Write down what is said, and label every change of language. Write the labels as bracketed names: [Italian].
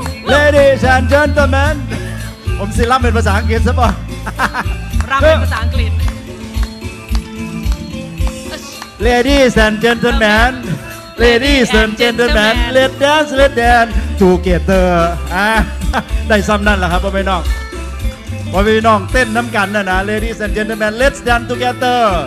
[English] Ladies and gentlemen [Thai] ผมสิรำเป็นภาษาอังกฤษซะบ่รำเป็นภาษาอังกฤษ [English] Ladies and gentlemen, ladies and gentlemen, let's dance, let's dance together. [Thai] ได้ซ้ำนั่นแหละครับพ่อแม่น้องพ่อแม่น้องเต้นน้ำกันนะนะ [English] ladies and gentlemen, let's dance together.